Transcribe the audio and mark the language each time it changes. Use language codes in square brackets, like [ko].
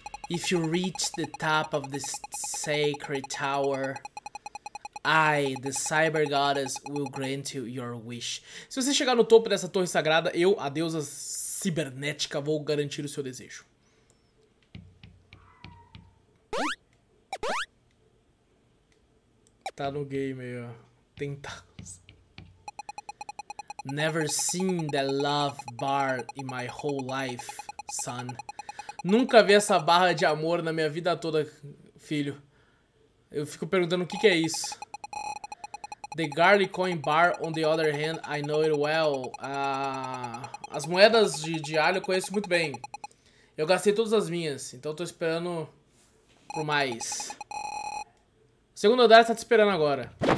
[en] If you reach the top of this sacred tower, I, the cyber goddess, will grant you your wish. [pt] Se você chegar no topo dessa torre sagrada, eu, a deusa cibernética, vou garantir o seu desejo. Tá no game aí, ó. Tentados. [en] Never seen the love bar in my whole life, son. [pt] Nunca vi essa barra de amor na minha vida toda, filho. Eu fico perguntando o que é isso. [en] The garlic coin bar, on the other hand, I know it well. [pt] As moedas de alho eu conheço muito bem. Eu gastei todas as minhas, então eu tô esperando por mais. O segundo andar tá te esperando agora.